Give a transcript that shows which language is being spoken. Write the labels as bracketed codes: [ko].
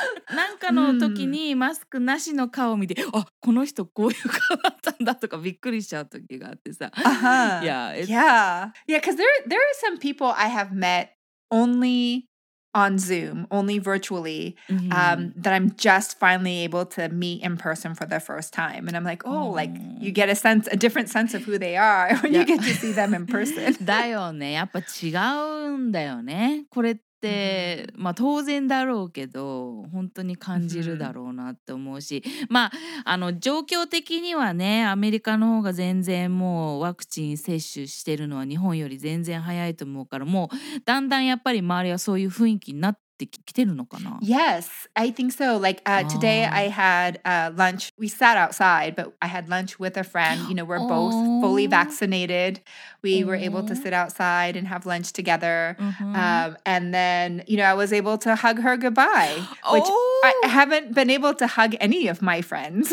[ja] なんかの時にマスクなしの顔を見て、mm-hmm. あ、この人こういう顔だったんだとかびっくりしちゃう時があってさ。 Uh-huh. Yeah, yeah. [en] Yeah, because there are some people I have met only on Zoom, only virtually, mm-hmm. That I'm just finally able to meet in person for the first time. And I'm like, oh, mm-hmm. like you get a different sense of who they are when yeah. you get to see them in person. [ja] だよね。やっぱ違うんだよね。これってで、まあ当然だろうけど本当に感じるだろうなって思うし、まあ、あの状況的にはね、アメリカの方が全然もうワクチン接種してるのは日本より全然早いと思うから、もうだんだんやっぱり周りはそういう雰囲気になってきてるのかな。 [en] Yes, I think so. Like, today I had lunch. We sat outside, but I had lunch with a friend. You know, we're both fully vaccinated. We were able to sit outside and have lunch together. Mm-hmm. And then, you know, I was able to hug her goodbye. Which I haven't been able to hug any of my friends.